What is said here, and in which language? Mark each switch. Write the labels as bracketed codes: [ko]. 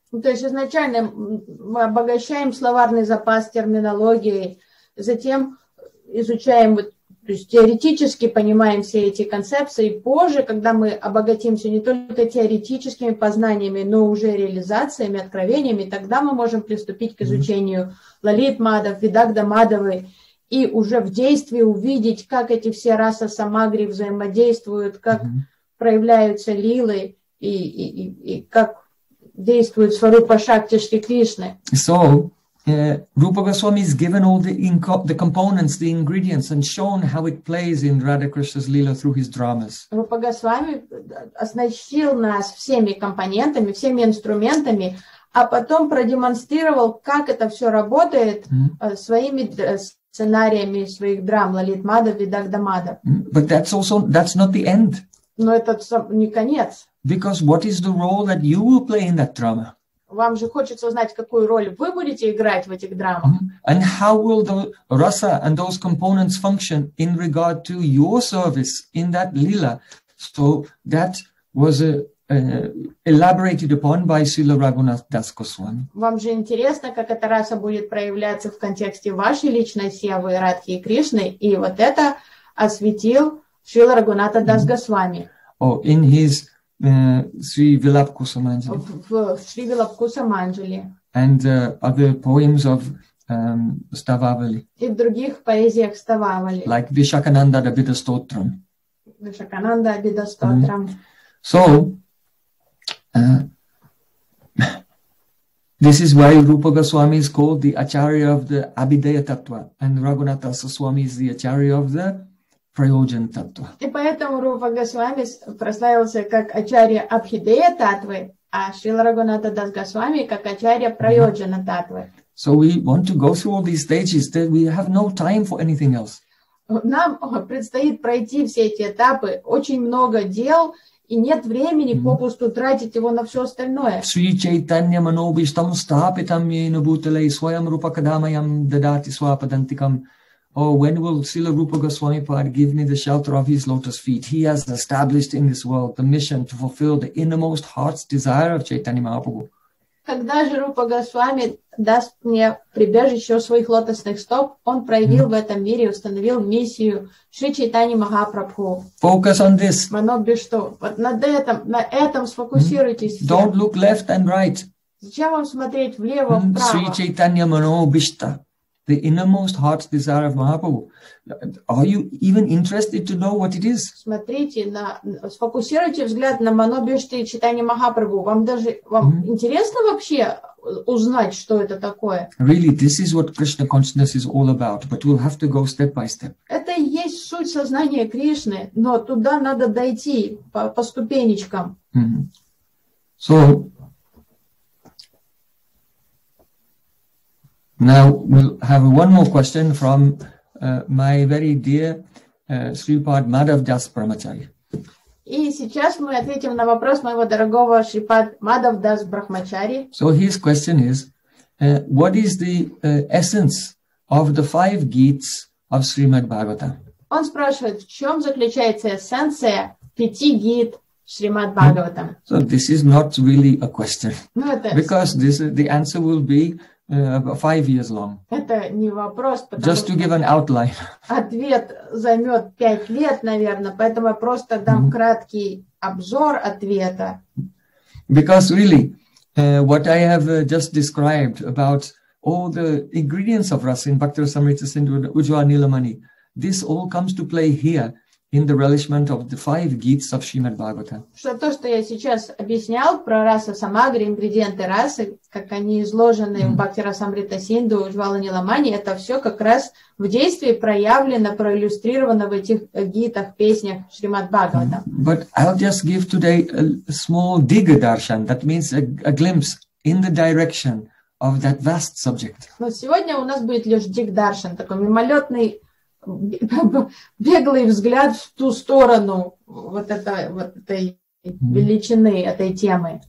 [ru] То есть изначально мы обогащаем словарный запас терминологией, затем изучаем, то есть теоретически понимаем все эти концепции, и позже, когда мы обогатимся не только теоретическими познаниями, но уже реализациями, откровениями, тогда мы можем приступить к изучению Лалит Мадав, Видагда Мадавы, и уже в действии увидеть, как эти все раса самагри взаимодействуют, как проявляются лилы, и как действует Сварупа Шакти Шри Кришны. [en] So, Rupa Goswami has given all the components, the ingredients, and shown how it plays in Radha Krishna's Leela through his dramas. [ru] Rupa Goswami оснастил нас всеми компонентами, всеми инструментами, а потом продемонстрировал, как это все работает своими сценариями своих драм Лалит Мадхав и Дагда Мадхав. [en] But that's not the end. [ru] Но это не конец. [en] Because what is the role that you will play in that drama? [ru] Вам же хочется узнать, какую роль вы будете играть в этих драмах. [en] And how will the rasa and those components function in regard to your service in that lila? So that was elaborated upon by Srila Raghunath Das Goswami. [ru] Вам же интересно, как эта раса будет проявляться в контексте вашей личной севы Радхи и Кришны, и вот это осветил Шрила Рагхунатха Дас Госвами. [en] In his Sri Vilap Kusumanjali. Sri Vilap Kusumanjali. And other poems of Stavavali. [ru] И в других поэзиях Стававали. [en] Like Vishakananda Abhida Stotram. Vishakananda Abhida Stotram. So, this is why Rupa Goswami is called the Acharya of the Abhideya Tattva, and Raghunatha Goswami is the Acharya of the Prayojan Tattva. [ru] И поэтому Рупа Госвами прославился как Ачарья Абхидея Таттвы, а Шрила Рагхунатха Дас Госвами как Ачарья Прайоджана Таттвы. [en] So we want to go through all these stages that we have no time for anything else. [ru] Нам предстоит пройти все эти этапы, очень много дел, и нет времени попусту тратить его на все остальное. [sa] Шри Чайтанья Манобиштам Стапитам Йена Бутале Своям Рупакадамаям Дадати Свападантикам. [en] Oh, when will Srila Rupa Goswami Pad give me the shelter of his lotus feet? He has established in this world the mission to fulfill the innermost heart's desire of Chaitanya Mahaprabhu. [ru] Когда же Рупа Госвами даст мне прибежище своих лотосных стоп, он проявил в этом мире, установил миссию Шри Чайтани Махапрабху. [en] Focus on this. [ru] Манобишто. Вот на этом сфокусируйтесь. Все. [en] Don't look left and right. [ru] Зачем вам смотреть влево, вправо? [en] Шри Чайтанья Манобишто. The innermost heart's desire of Mahaprabhu. Are you even interested to know what it is? [ru] Смотрите, сфокусируйте взгляд на манобишты и читание Махапрабху. Вам интересно вообще узнать, что это такое? [en] Really, this is what Krishna consciousness is all about, but we'll have to go step by step. [ru] Это и есть суть сознания Кришны, но туда надо дойти по ступенечкам. [en] So, now we'll have one more question from my very dear Sripad Madhav Das Brahmachari. [ru] И сейчас мы ответим на вопрос моего дорогого Шрипад Мадхав Дас Брахмачари. [en] So his question is, what is the essence of the five Gits of Srimad Bhagavatam? [ru] Он спрашивает, в чем заключается эссенция пяти гит Шримад Бхагаватам? [en] So this is not really a question. No, it is. Because this the answer will be about 5 years long. [ru] Это не вопрос, потому [en] just to give an outline. [ru] Ответ займет 5 лет, наверное, поэтому я просто дам краткий обзор ответа. [en] Because really, what I have just described about all the ingredients of rasa in Bhakti Rasamrita Sindhu Ujjwala Nilamani, this all comes to play here in the relishment of the five gits of Srimad Bhagavatam. [ru] Что то, что я сейчас объяснял про раса самагри, ингредиенты расы, как они изложены в Бхакти Расамрита Синду, Ужвала Ниламани, это все как раз в действии проявлено, проиллюстрировано в этих гитах, песнях Шримад Бхагаватам. [en] But I'll just give today a small digga darshan, that means a glimpse in the direction of that vast subject. [ru] Но сегодня у нас будет лишь дигга даршан, такой мимолетный беглый взгляд в ту сторону вот этой величины, этой темы.